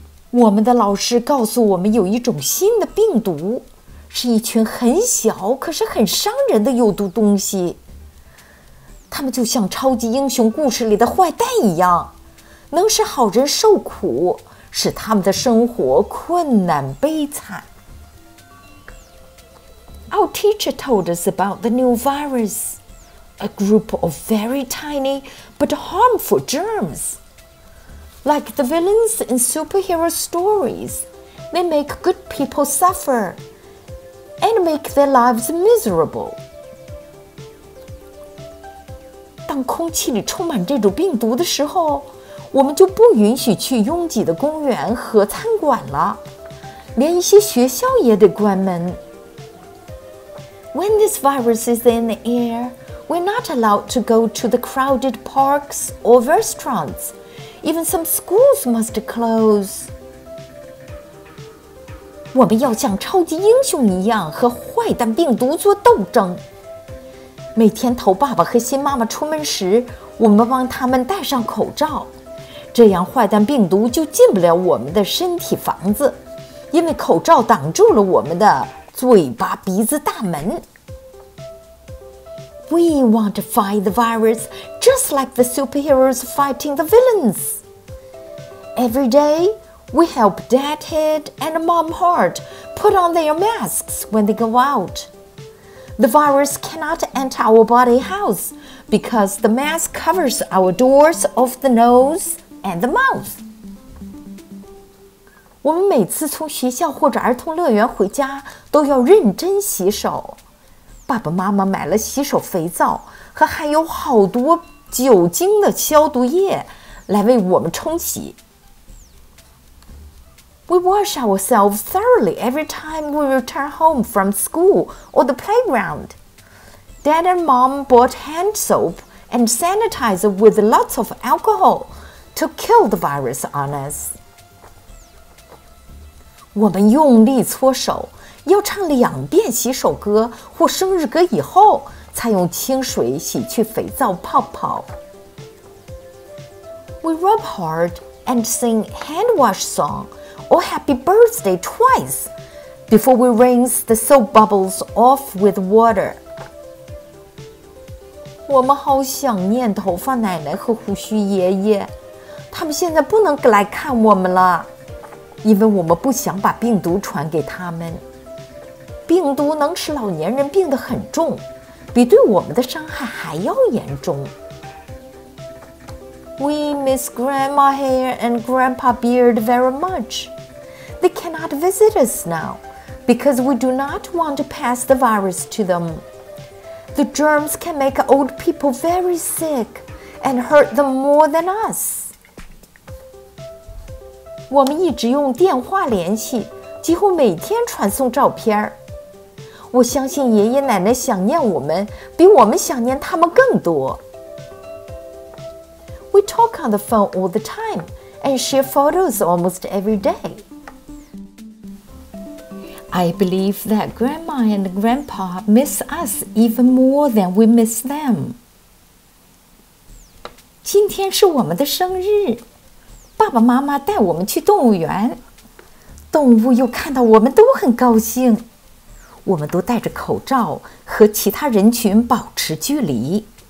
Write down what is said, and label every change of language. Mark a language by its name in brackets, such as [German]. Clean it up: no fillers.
[Chinese] 我们的老师告诉我们有一种新的病毒，是一群很小可是很伤人的有毒东西。他们就像超级英雄故事里的坏蛋一样，能使好人受苦，使他们的生活困难悲惨。 [English] Our teacher told us about the new virus, a group of very tiny but harmful germs. Like the villains in superhero stories, they make good people suffer. And make their lives miserable. [Chinese] 当空气里充满这种病毒的时候，我们就不允许去拥挤的公园和餐馆了，连一些学校也得关门。 [English] When this virus is in the air, we're not allowed to go to the crowded parks or restaurants. Even some schools must close. [Chinese] 我们要像超级英雄一样和坏蛋病毒做斗争。每天头爸爸和新妈妈出门时，我们帮他们戴上口罩，这样坏蛋病毒就进不了我们的身体房子，因为口罩挡住了我们的嘴巴鼻子大门。 [English] We want to fight the virus just like the superheroes fighting the villains. Every day, we help Dad Head and Mom Heart put on their masks when they go out. The virus cannot enter our body house because the mask covers our doors of the nose and the mouth. [Chinese] 我们每次从学校或者儿童乐园回家都要认真洗手。爸爸妈妈买了洗手肥皂和还有好多酒精的消毒液来为我们冲洗。 [English] We wash ourselves thoroughly every time we return home from school or the playground. Dad and Mom bought hand soap and sanitizer with lots of alcohol to kill the virus on us. [Chinese] 我们用力搓手，要唱两遍洗手歌或生日歌以后，才用清水洗去肥皂泡泡。 [English] We rub hard and sing hand wash song. Or happy birthday twice before we rinse the soap bubbles off with water. [Chinese] 我们好想念头发奶奶和胡须爷爷，他们现在不能来看我们了，因为我们不想把病毒传给他们。病毒能使老年人病得很重，比对我们的伤害还要严重。 [English] We miss Grandma Hair and Grandpa Beard very much. They cannot visit us now because we do not want to pass the virus to them. The germs can make old people very sick and hurt them more than us. [Chinese] 我们一直用电话联系，几乎每天传送照片。我相信爷爷奶奶想念我们，比我们想念他们更多。 [English] We talk on the phone all the time and share photos almost every day. I believe that Grandma and Grandpa miss us even more than we miss them. [Chinese] 今天是我们的生日，爸爸妈妈带我们去动物园，动物又看到我们都很高兴。我们都戴着口罩和其他人群保持距离。